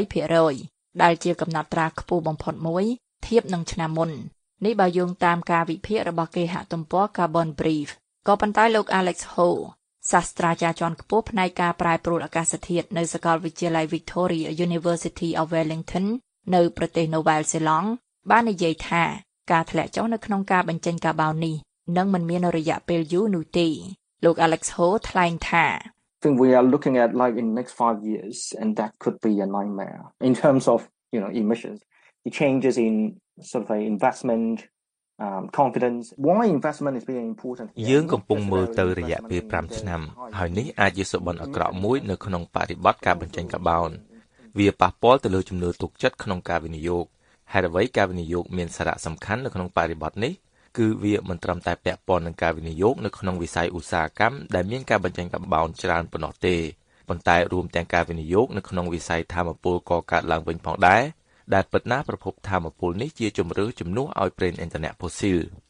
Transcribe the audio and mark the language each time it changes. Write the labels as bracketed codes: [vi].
[km] 8% ដែលជាកំណត់ត្រាខ្ពស់បំផុតមួយធៀបនឹងឆ្នាំមុននេះបើយោងតាមការវិភាគរបស់គេហទំព័រ Carbon Brief ក៏ប៉ុន្តែលោក Alex Ho សាស្ត្រាចារ្យជាន់ខ្ពស់ផ្នែកការប្រែប្រួលអាកាសធាតុនៅសាកលវិទ្យាល័យ Victoria University of Wellington នៅប្រទេស New Zealand បាននិយាយថាការធ្លាក់ចុះនៅក្នុងការបញ្ចេញកាបោននេះនឹងមិនមានរយៈពេលយូរនោះទេលោក Alex Ho ថ្លែងថា [en] Think we are looking at like in next 5 years and that could be a nightmare in terms of you know emissions the changes in sort of a investment confidence why investment is being important [km] យើងកំពុងមើលទៅរយៈពេល5ឆ្នាំហើយនេះអាចជាសុបិនអក្រក់មួយនៅក្នុងបរិបទការបញ្ចេញកាបោនវាប៉ះពាល់ទៅលើចំនួនទុកចិត្តក្នុងការវិនិយោគហើយអ្វីការវិនិយោគមានសារៈសំខាន់នៅក្នុងបរិបទនេះគឺវាមិនត្រឹមតែពាក់ព័ន្ធនឹងការវិនិយោគនៅក្នុងវិស័យឧស្សាហកម្មដែលមានការបញ្ចេញកាបោនច្រើនប៉ុណ្ណោះទេប៉ុន្តែរួមទាំងការវិនិយោគនៅក្នុងវិស័យធម្មពលកកើតឡើងវិញផងដែរដែលពិតណាស់ប្រភពធម្មពលនេះជាជំរឿជំនួសឲ្យប្រេងឥន្ធនៈផូស៊ីល